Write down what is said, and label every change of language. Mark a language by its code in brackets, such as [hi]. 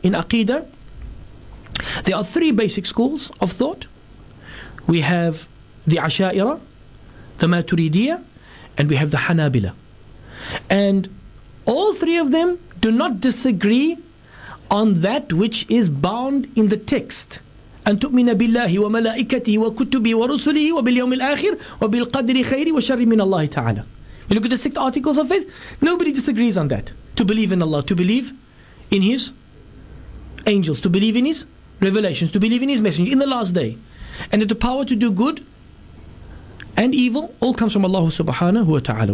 [en] In aqidah, there are three basic schools of thought. We have the Asha'ira, the Maturidiyah, and we have the Hanabila. And all three of them do not disagree on that which is bound in the text. [ar] أن تؤمن بالله وملائكته وكتبه ورسله وباليوم الآخر وبالقدر خيري وشر من الله تعالى. [en] We look at the six articles of faith. Nobody disagrees on that. To believe in Allah, to believe in His angels, to believe in His revelations, to believe in His messenger, in the last day. And that the power to do good and evil all comes from Allah subhanahu wa ta'ala.